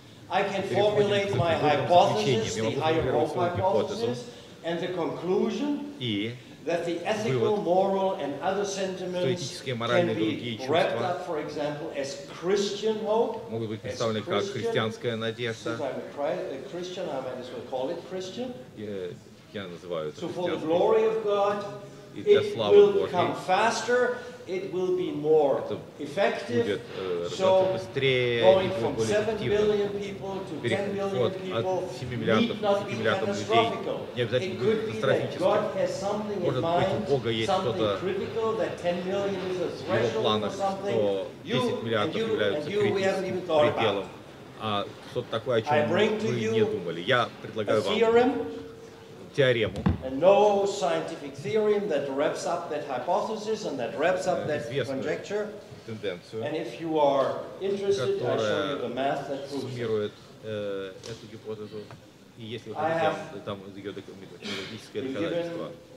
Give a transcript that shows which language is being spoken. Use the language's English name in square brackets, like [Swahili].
[English] I can formulate my hypothesis, the higher hope hypothesis, and the conclusion that the ethical, moral, and other sentiments can be wrapped up, for example, as Christian hope, [Russian] могут быть представлены как христианская надежда. [English] Since I'm a Christian, I might as well call it Christian. [Russian] Я называю это. [English] So for the glory of God, it will come faster, it will be more effective. So going from 7 billion people to 10 billion people need not be catastrophical. It could be that God has something in mind, something critical, that 10 million is a threshold or something. You we haven't even thought about. [Russian] А что-то такое, о чем мы не думали. Я предлагаю вам теорему. [English] And no scientific theorem that wraps up that hypothesis and that wraps up that conjecture. [Russian] Тенденцию, [English] and if you are interested, I'll show you the math that proves [Russian] суммирует, эту гипотезу. И если вы хотите, там ее доказательство.